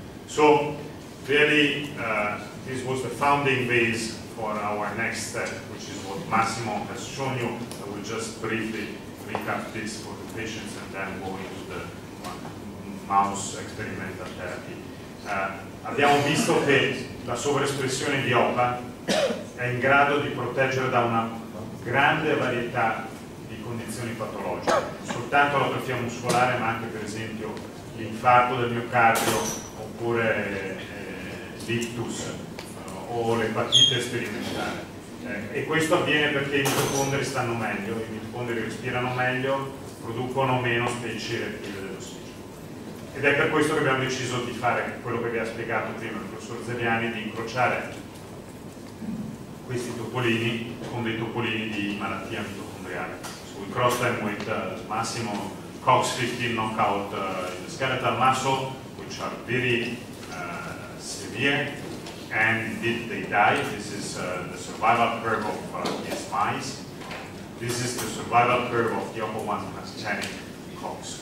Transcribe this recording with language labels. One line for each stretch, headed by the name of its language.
English: So, really, this was the founding base for our next step, which is what Massimo has shown you. I will just briefly recap this for the patients and then go into the mouse experimental therapy.
Italian: Abbiamo visto che la sovraespressione di OPA è in grado di proteggere da una grande varietà di condizioni patologiche, soltanto l'atrofia muscolare, ma anche, per esempio, l'infarto del miocardio, oppure l'ictus o l'epatite sperimentale. E questo avviene perché i mitocondri stanno meglio, i mitocondri respirano meglio, producono meno specie reattive dell'ossigeno. Ed è per questo che abbiamo deciso di fare quello che vi ha spiegato prima il professor Zeliani, di incrociare questi topolini con dei topolini di malattia mitocondriale.
English: So we cross them with Massimo COX-15 knockout in the skeletal muscle, which are very severe, and did they die? This is the survival curve of these mice. This is the survival curve of the OPA1 transgenic cocks.